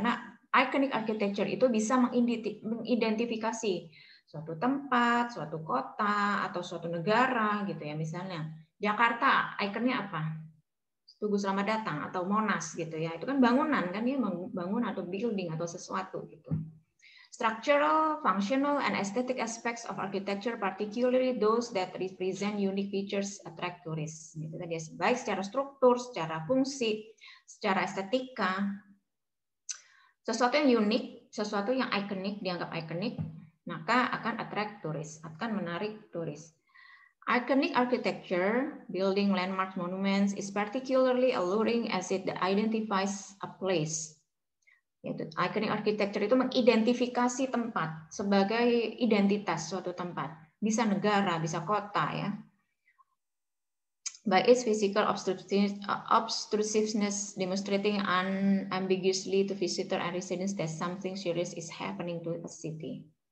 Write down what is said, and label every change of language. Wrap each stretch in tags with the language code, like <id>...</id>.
<id>Karena iconic architecture itu bisa mengidentifikasi suatu tempat, suatu kota, atau suatu negara gitu ya. Misalnya Jakarta, ikonnya apa? Tugu Selamat Datang atau Monas gitu ya. Itu kan bangunan kan ya, bangun atau building atau sesuatu gitu.</id> <en>Structural, functional, and aesthetic aspects of architecture, particularly those that represent unique features, attract tourists.</en> <id>Gitu tadi ya, baik secara struktur, secara fungsi, secara estetika, sesuatu yang unik, sesuatu yang ikonik, dianggap ikonik, maka akan</id> <en>attract tourists,</en> <id>akan menarik turis.</id> <en>Iconic architecture, building landmarks, monuments, is particularly alluring as it identifies a place.</en> <id>Yaitu iconic architecture itu mengidentifikasi tempat sebagai identitas suatu tempat, bisa negara, bisa kota ya.</id> <en>By its physical obtrusiveness, demonstrating unambiguously to visitor and residents that something serious is happening to a city.</en>